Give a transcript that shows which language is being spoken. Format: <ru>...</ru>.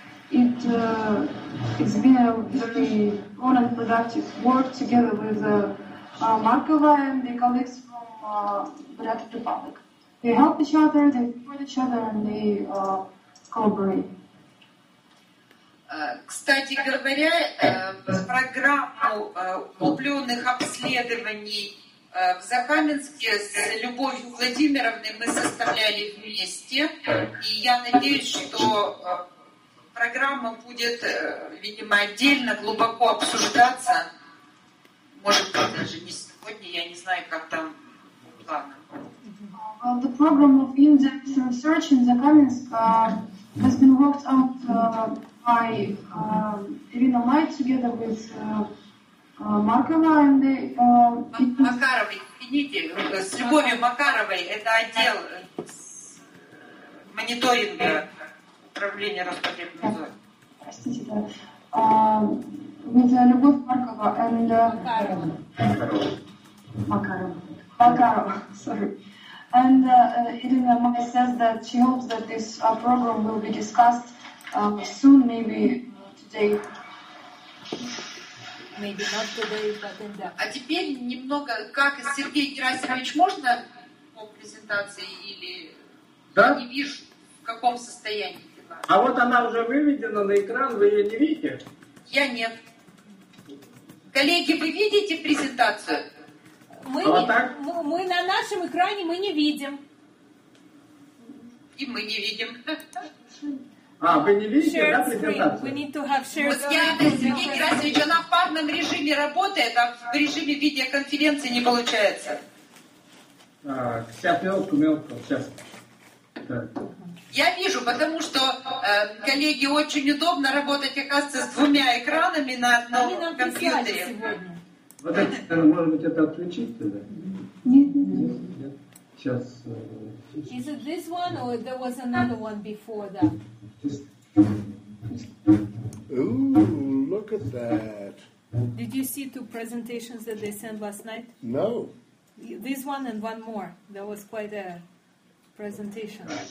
<en>It's been a very fun and productive work together with Markova and the colleagues from Brat Republic. They help each other, they support each other, and they cooperate.</en> <ru>Кстати говоря, программу углубленных обследований в Закаменске с Любовью Владимировной мы составляли вместе, и я надеюсь, что программа будет, видимо, отдельно глубоко обсуждаться. Может быть, даже не сегодня, я не знаю, как там планы.</ru> <en>Well, the program of in-depth research in Закаменск has been worked out by Ирина Май together with Маркова and the...</en> <ru>Макаровой, извините, с Любовью Макаровой, это отдел... мониторинга управления Роспотребнадзором. Простите, да. Меня Любовь Маркова и Макарова.</ru> <en>And Irina Maya says that she hopes that this program will be discussed soon, maybe today. Maybe not today, but in the...</en> <ru>А теперь немного, как Сергей Герасимович, можно по презентации или да? Я не вижу, в каком состоянии дела. А вот она уже выведена на экран, вы ее не видите? Я нет. Коллеги, вы видите презентацию? Мы, вот не, мы на нашем экране мы не видим. И мы не видим. А, вы не видите, да, презентацию?</ru> <en>We need to have shared screen.</en> <ru>Вот я, Сергей Герасимович, она в парном режиме работает, а в режиме видеоконференции не получается. Так, сейчас, мелко, сейчас. Так. Я вижу, потому что, коллеги, очень удобно работать, оказывается, с двумя экранами на одном компьютере. Вот это, может быть, это отключить тогда? Нет. Сейчас.</ru> <en>Is it this one, or there was another one before that? Ooh, look at that. Did you see two presentations that they sent last night? No. This one and one more. That was quite a presentation.</en>